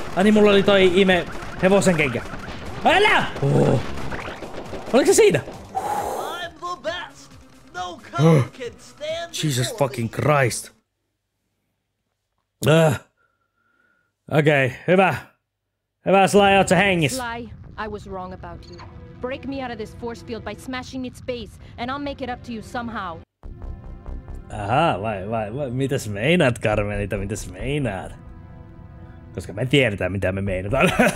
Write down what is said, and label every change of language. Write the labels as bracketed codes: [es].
[fi] Ai niin, mulla oli toi ime hevosen kenkä. Älä! Oliko se siinä? [en] I'm the best. No can stand Jesus fucking Christ. [fi] Okay, hyvä. Hyvä, Sly, oot sä hengissä. [en] Sly, I was wrong about you. Break me out of this force field by smashing its base, and I'll make it up to you somehow. [fi] Aha, vai, mitäs meinaat, Carmelita, mitäs meinaat? Koska me tiedetään, mitä me meinataan.